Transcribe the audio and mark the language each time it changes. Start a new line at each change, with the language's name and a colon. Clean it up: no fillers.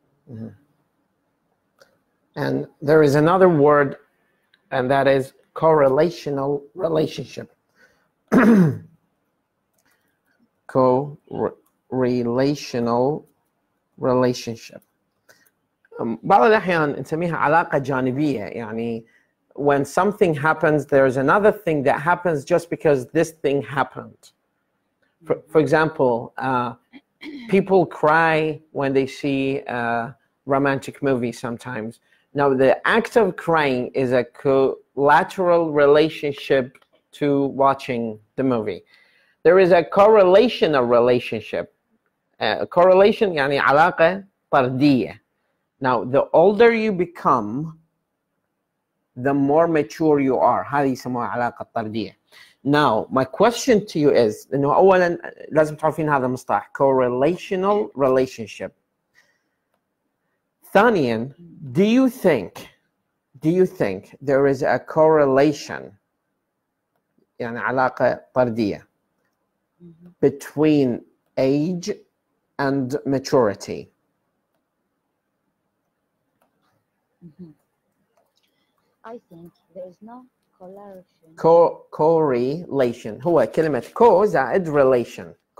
English: Mm-hmm. And there is another word, and that is correlational relationship. Correlational relationship.
Arabic: بعض الأحيان نسميها علاقة جانبية. يعني
English: when something happens, there's another thing that happens just because this thing happened. For example, people cry when they see a romantic movie sometimes. Now, the act of crying is a collateral relationship to watching the movie. There is a correlational relationship.
Arabic: Correlation, يعني علاقة طردية.
English: Now, the older you become, the more mature you are.
Arabic: هذه يسموها علاقة طردية.
English: Now, my question to you is,
Arabic: إنه أولاً لازم تعرفين هذا المصطلح,
English: correlational relationship.
Arabic: ثانياً,
English: do you think there is a correlation,
Arabic: يعني علاقة طردية,
English: between age and maturity? I think there is no correlation. Correlation.
Arabic: هو كلمة co زائد relation.